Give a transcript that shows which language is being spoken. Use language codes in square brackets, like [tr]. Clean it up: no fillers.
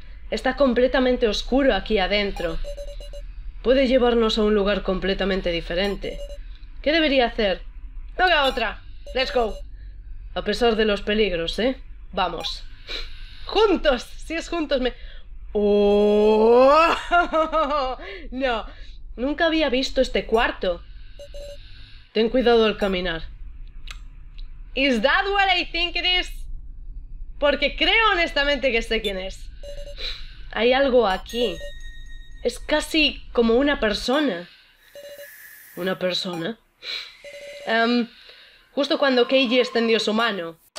[es] Está completamente oscuro aquí adentro. Puede llevarnos a un lugar completamente diferente. ¿Qué debería hacer? ¡Toca otra! [en] ¡Let's go! [es] A pesar de los peligros, ¿eh? Vamos. ¡Juntos! Si es juntos, me... Oh, no, nunca había visto este cuarto. Ten cuidado al caminar. [en] Is that what I think it is? [es] Porque creo honestamente que sé quién es. Hay algo aquí. Es casi como una persona. ¿Una persona? Justo cuando Keiji extendió su mano.